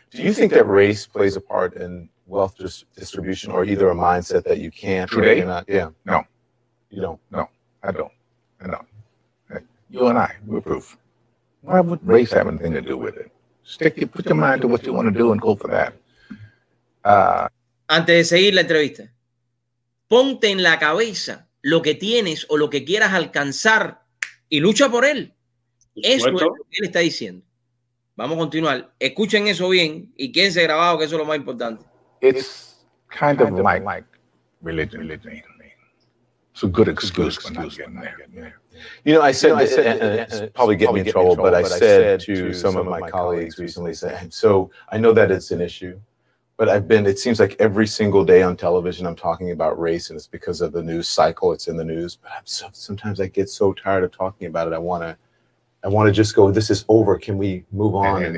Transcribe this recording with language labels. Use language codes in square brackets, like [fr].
[en] Do you think that race plays a part in wealth distribution, or either a mindset that you can't today? Or you're not? Yeah. No. You don't? No, I don't. I don't. You and I, we're proof. Why would race have anything to do with it? Put your mind to what you want to do and go for that. [es] Antes de seguir la entrevista, ponte en la cabeza lo que tienes o lo que quieras alcanzar y lucha por él. Eso es lo que él está diciendo. Vamos a continuar. Escuchen eso bien y quédense grabado, que eso es lo más importante. [en] It's kind of like religion. It's a good excuse for not getting there. You know, I said to some of my colleagues recently, so I know that it's an issue, but it seems like every single day on television I'm talking about race, and it's because of the news cycle, it's in the news, but sometimes I get so tired of talking about it, I want to just go, this is over, can we move on?